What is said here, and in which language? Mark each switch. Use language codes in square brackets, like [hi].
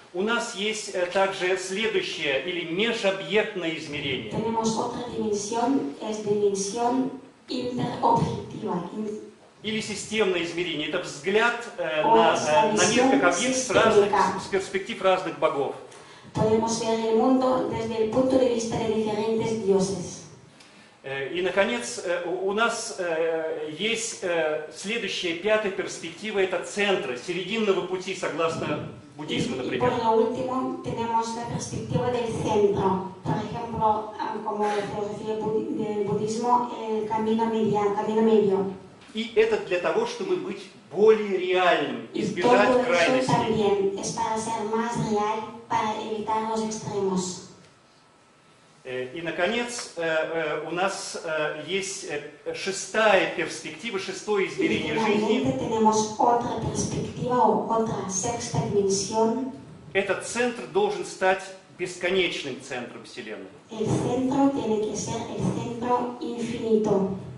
[ru] У нас есть также следующее или межобъектное измерение. [es] Tenemos otra dimensión, es dimensión интероблективно. [ru] Или системное измерение. Это взгляд на мир как объект с разных с перспектив разных богов. [es] Podemos ver el mundo desde el punto de vista de diferentes dioses. [ru] И, наконец, у нас есть следующая, пятая перспектива, это центра, серединного пути, согласно буддизму, например. [es] И, por lo último, tenemos la perspectiva del centro. Por ejemplo, como la filosofía del budismo, el camino medio, camino medio. [ru] И это для того, чтобы быть более реальным, избежать крайности. [es] Y todo eso también es para ser más real, para evitar los extremos. [ru] И, наконец, у нас есть шестая перспектива, шестое измерение жизни. Этот центр должен стать бесконечным центром Вселенной.